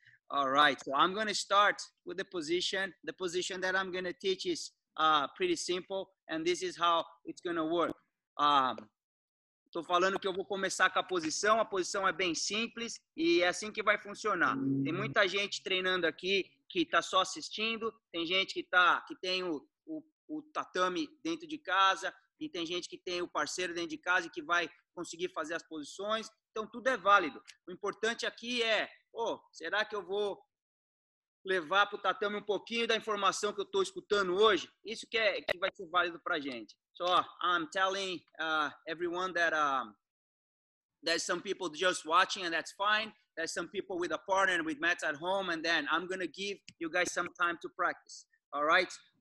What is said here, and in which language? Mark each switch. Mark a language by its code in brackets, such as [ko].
[en] All right, so I'm going to start with the position. The position that I'm going to teach is pretty simple, and this is how it's going to work. [pt] Tô falando que eu vou começar com a posição é bem simples, e é assim que vai funcionar. Tem muita gente treinando aqui, que tá só assistindo, tem gente que tem o tatame dentro de casa, e tem gente que tem o parceiro dentro de casa e que vai conseguir fazer as posições. Então, tudo é válido. O importante aqui é, será que eu vou levar para o tatame um pouquinho da informação que eu estou escutando hoje? Isso que vai ser válido para a gente. [en] So, I'm telling everyone that there's some people just watching, and that's fine. There's some people with a partner and with mats at home, and then I'm going to give you guys some time to practice. All right?